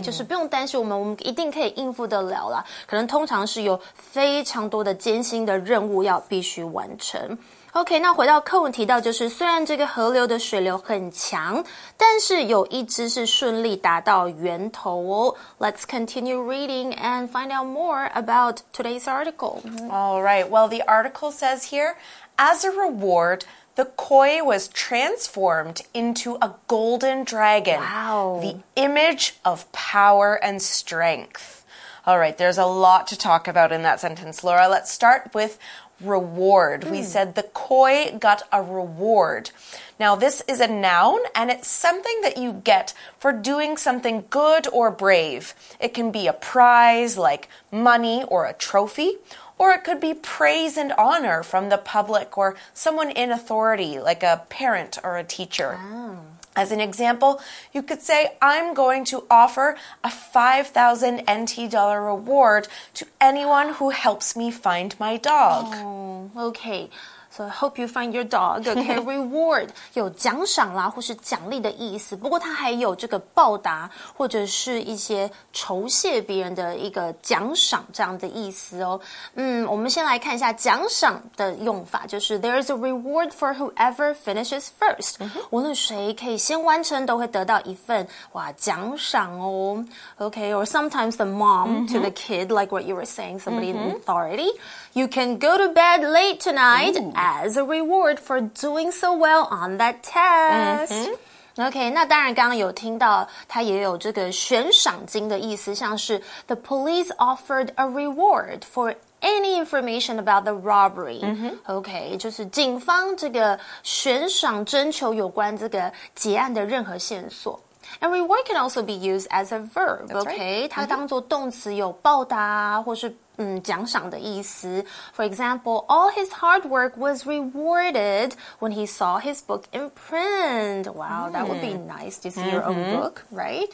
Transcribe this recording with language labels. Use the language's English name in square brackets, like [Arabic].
[Chinese] 就是不用担心我们一定可以应付得了啦可能通常是有非常多的艰辛的任务要必须完成。 OK， 那回到课文提到，就是虽然这个河流的水流很强，但是有一只是顺利达到源头哦。 [English] Let's continue reading and find out more about today's article. All right. Well, the article says here, as a reward, the koi was transformed into a golden dragon. Wow. The image of power and strength. All right, there's a lot to talk about in that sentence, Laura. Let's start with reward. We said the koi got a reward. Now, this is a noun, and it's something that you get for doing something good or brave. It can be a prize, like money or a trophy, Or it could be praise and honor from the public or someone in authority, like a parent or a teacher. Oh. As an example, you could say, I'm going to offer a 5,000 NT dollar reward to anyone who helps me find my dog. Oh, okay. So I hope you find your dog, okay? [Chinese] Reward, 有奖赏啦或是奖励的意思。不过它还有这个报答或者是一些酬谢别人的一个奖赏这样的意思哦。我们先来看一下奖赏的用法，就是 [English] There is a reward for whoever finishes first. [Chinese] 无论谁可以先完成都会得到一份哇奖赏哦。 [English] Okay, or sometimes the mom、mm-hmm. to the kid, like what you were saying, somebody、mm-hmm. in authority. You can go to bed late tonight.、Ooh. As a reward for doing so well on that test.、 Mm-hmm. [Chinese] Okay, 那当然刚刚有听到他也有这个悬赏金的意思，像是 [English] The police offered a reward for any information about the robbery.、 Mm-hmm. [Chinese] Okay, 就是警方这个悬赏征求有关这个劫案的任何线索。 [English] And reward can also be used as a verb, okay?、 [Chinese] Mm-hmm. 它当作动词有报答或是奖赏的意思。 [English] For example, all his hard work was rewarded when he saw his book in print. Wow,、mm. that would be nice to see、mm-hmm. your own book, right?